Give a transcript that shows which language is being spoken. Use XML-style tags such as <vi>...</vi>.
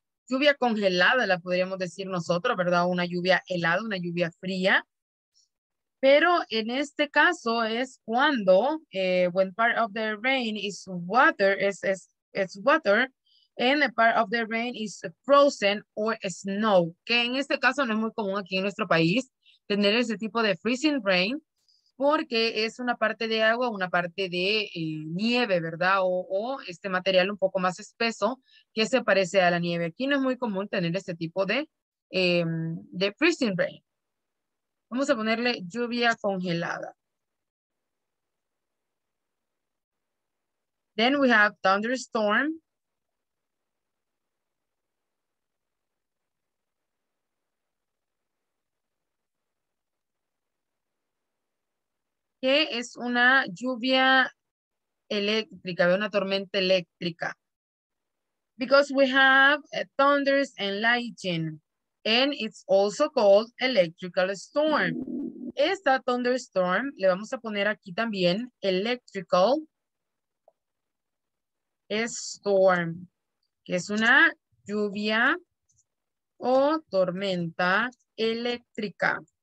<es>Lluvia congelada, la podríamos decir nosotros, ¿verdad? Una lluvia helada, una lluvia fría. Pero en este caso es cuando,</es> <en>when part of the rain is water, it's water, and a part of the rain is frozen or snow.</en> <es>Que en este caso no es muy común aquí en nuestro país tener ese tipo de freezing rain, porque es una parte de agua, una parte de nieve, ¿verdad? O este material un poco más espeso que se parece a la nieve. Aquí no es muy común tener este tipo de freezing rain. Vamos a ponerle lluvia congelada.</es> <en>Then we have thunderstorm.</en> <es>Que es una lluvia eléctrica, una tormenta eléctrica.</es> <en>Because we have thunders and lightning, and it's also called electrical storm.</en> <es>Esta thunderstorm le vamos a poner aquí también electrical storm, que es una lluvia o tormenta eléctrica.</es>